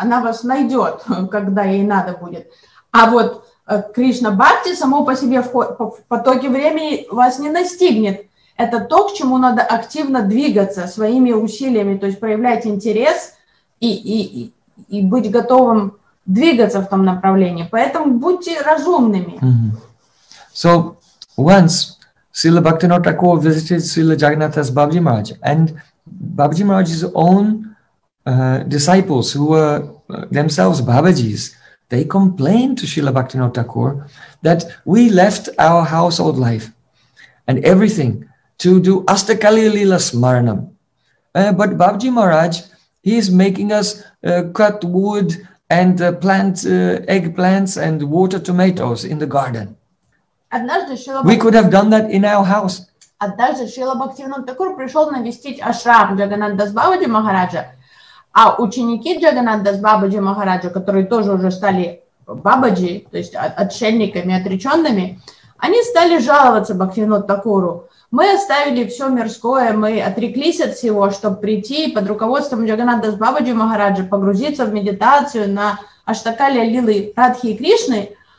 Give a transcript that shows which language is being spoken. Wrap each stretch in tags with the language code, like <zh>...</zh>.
<ru>Она вас найдет, когда ей надо будет. А вот Кришна Бхакти само по себе в потоке времени вас не настигнет. Это то, к чему надо активно двигаться своими усилиями. То есть проявлять интерес и быть готовым двигаться в том направлении. Поэтому будьте разумными. Mm-hmm.</ru> <en>So, once Srila Bhaktivinoda Thakur visited Srila Jagannatha's Babaji Maharaj, and Babaji Maharaj's own disciples, who were themselves Babajis, they complained to Srila Bhaktivinoda Thakur that we left our household life and everything to do Astakali Lila Smaranam. But Babaji Maharaj, he is making us cut wood, and plant eggplants and water tomatoes in the garden. We could have done that in our house.</en> <ru>Однажды Шрила Бхактивинода Такур пришел навестить ашрам Джагананда-дас Бабаджи Махараджа, а ученики Джагананда-дас Бабаджи Махараджа, которые тоже уже стали бабаджи, то есть отшельниками, отреченными, они стали жаловаться Бхактивинода Такуру. Мы оставили все мирское, мы отреклись от всего, чтобы прийти под руководством Джагананда-дас Бабаджи Махараджа, погрузиться в медитацию на Аштакали Лилы Радхи и Кришны.</ru>